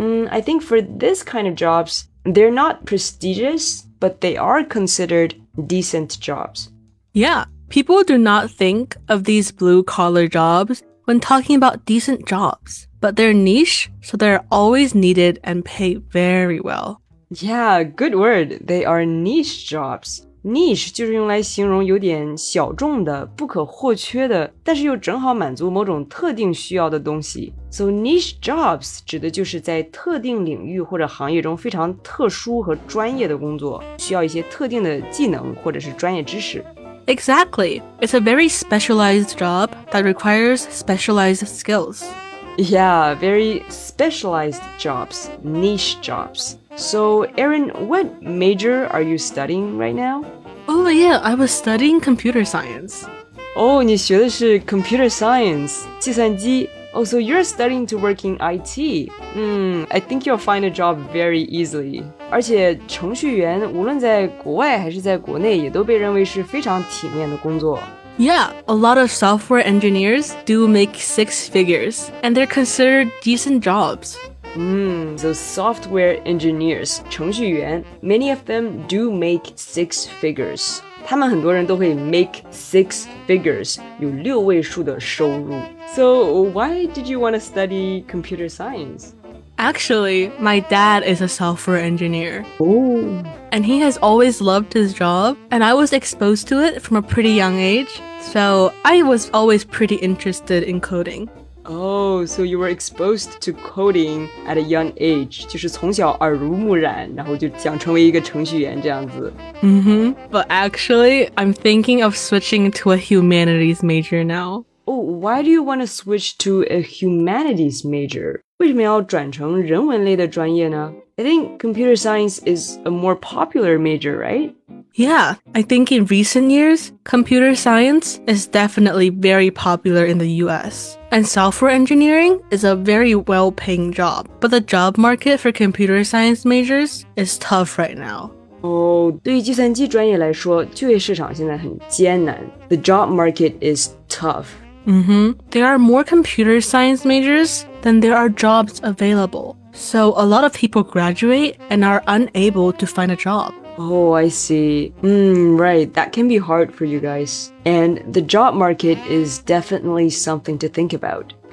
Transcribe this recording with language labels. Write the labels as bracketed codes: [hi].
[en] I think for this kind of jobs, they're not prestigious, but they are considered... decent jobs. Yeah, people do not think of these blue-collar jobs when talking about decent jobs, but they're niche, so they're always needed and pay very well. Yeah, good word. They are niche jobs. [zh] Niche 就是用来形容有点小众的、不可或缺的，但是又正好满足某种特定需要的东西。 So niche jobs 指的就是在特定领域或者行业中非常特殊和专业的工作，需要一些特定的技能或者是专业知识。 [en] Exactly. It's a very specialized job that requires specialized skills. Yeah, very specialized jobs, niche jobs. So, Aaron, what major are you studying right now? Oh, yeah, I was studying computer science. [zh] Oh, 你学的是 computer science, 计算机。 [en] Oh, so you're studying to work in IT. I think you'll find a job very easily. [zh] 而且程序员无论在国外还是在国内也都被认为是非常体面的工作。 [en] Yeah, a lot of software engineers do make six figures, and they're considered decent jobs. So software engineers, 程序员, many of them do make six figures. [zh] 他们很多人都会 [en] make six figures, [zh] 有六位数的收入。 [en] So why did you want to study computer science? Actually, my dad is a software engineer. Ooh. And he has always loved his job, and I was exposed to it from a pretty young age. So I was always pretty interested in coding. Oh, so you were exposed to coding at a young age. [zh] 就是从小耳濡目染，然后就想成为一个程序员这样子。 [en] But actually, I'm thinking of switching to a humanities major now. Oh, why do you want to switch to a humanities major? [zh] 为什么要转成人文类的专业呢？ [en] I think computer science is a more popular major, right? Yeah, I think in recent years, computer science is definitely very popular in the US. And software engineering is a very well-paying job. But the job market for computer science majors is tough right now. [zh] Oh, 对于计算机专业来说，就业市场现在很艰难。 [en] The job market is tough. There are more computer science majors than there are jobs available. So a lot of people graduate and are unable to find a job. Oh, I see. Right, that can be hard for you guys. And the job market is definitely something to think about.